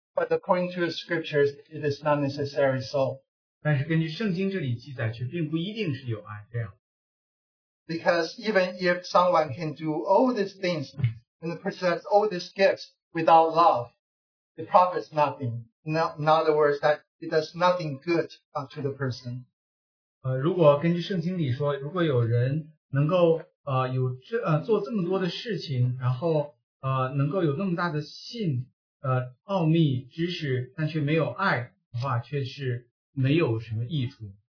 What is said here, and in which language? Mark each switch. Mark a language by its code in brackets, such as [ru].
[en] But according to the scriptures, it is not necessary so. [zh] 但是根据圣经这里记载，却并不一定是有爱这样。 [en] Because even if someone can do all these things and possess all these gifts without love, it profits nothing. In other words, that it does nothing good to the person. [zh] 如果根据圣经里说，如果有人能够做这么多的事情，然后能够有那么大的信、奥秘、知识，但却没有爱的话，却是没有什么益处。